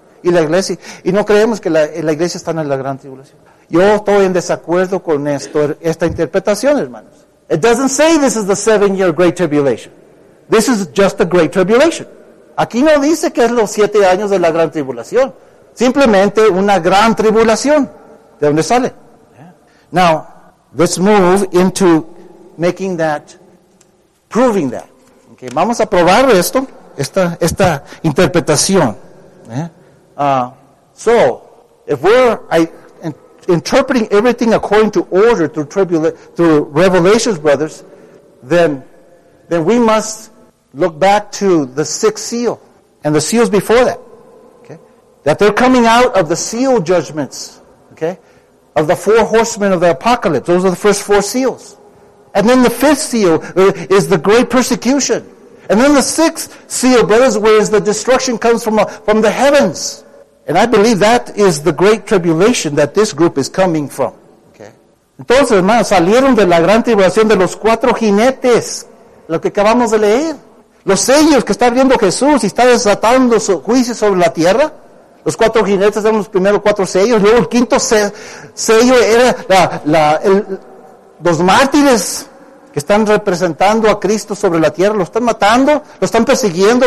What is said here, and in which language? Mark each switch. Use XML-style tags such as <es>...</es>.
<es>Y la iglesia, y no creemos que la iglesia está en la gran tribulación. Yo estoy en desacuerdo con esta interpretación, hermanos.</es> <en>It doesn't say this is the 7-year great tribulation. This is just the great tribulation.</en> <es>Aquí no dice que es los 7 años de la gran tribulación. Simplemente una gran tribulación. ¿De dónde sale?</es> <en>Now, let's move into making that, proving that.</en> <es>Okay, vamos a probar esto, esta interpretación.</es> <en>So, if we're interpreting everything according to order through Revelations, brothers, then we must look back to the 6th seal and the seals before that. That they're coming out of the seal judgments, okay, of the 4 horsemen of the apocalypse. Those are the first 4 seals. And then the 5th seal is the great persecution. And then the 6th seal, brothers, where is the destruction comes from the heavens. And I believe that is the great tribulation that this group is coming from. Okay.</en> <es>Entonces, hermanos, salieron de la gran tribulación de los 4 jinetes, lo que acabamos de leer. Los sellos que está abriendo Jesús y está desatando su juicio sobre la tierra. Los 4 jinetes eran los primeros 4 sellos. Luego el 5th sello era los mártires que están representando a Cristo sobre la tierra. Lo están matando, lo están persiguiendo.</es>